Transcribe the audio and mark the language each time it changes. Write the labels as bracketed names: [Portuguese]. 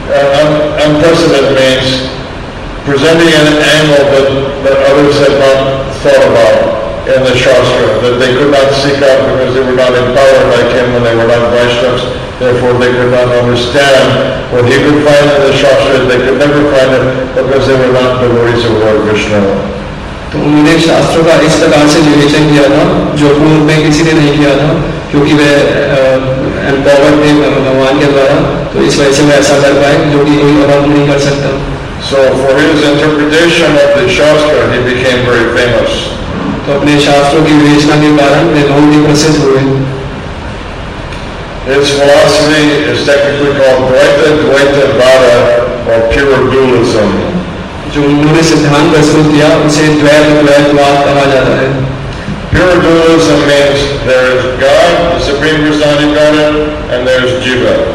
[English] Unprecedented means presenting an angle that others had not thought about in the Shastra, that they could not seek out because they were not empowered like him when they were not Vaishnavas. Therefore, they could not understand what he could find in the Shastra. They could never find it because they were not devotees of Lord Vishnu. [Hindi] तो उन्होंने शास्त्र का इस प्रकार से विवेचन किया था जो पूर्व में किसी ने नहीं किया था, क्योंकि वह एम्पावर थे भगवान के द्वारा, तो इस वजह से वह ऐसा कर पाए जो कि कोई और नहीं कर सकता. [English] So for his interpretation of the Shastra, he became very famous. [Hindi] तो अपने शास्त्रों की विवेचना के कारण वे बहुत ही प्रसिद्ध हुए. [English] His philosophy is technically called Dvaita Bhara or pure dualism. [Hindi] जो उन्होंने सिद्धांत प्रस्तुत किया उसे द्वैत द्वैतवाद कहा जाता है. [English] Pure dualism means there is God, the Supreme Personality of Godhead, and there is Jiva.